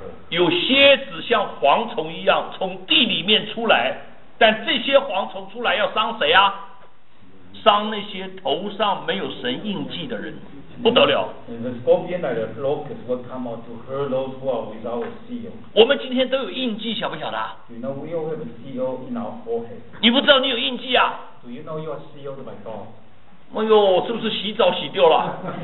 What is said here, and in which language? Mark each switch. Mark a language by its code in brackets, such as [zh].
[zh] 有蝎子像蝗虫一样从地里面出来，但这些蝗虫出来要伤谁啊？伤那些头上没有神印记的人，不得了。 [en] The scorpion and the locust will come out to hurt those who are without a seal. [zh] 我们今天都有印记，晓不晓得 [en] ？You know we all have a seal in our forehead. [zh] 你不知道你有印记啊 [en] ？Do you know you are sealed by God? [zh] 哎呦，是不是洗澡洗掉了？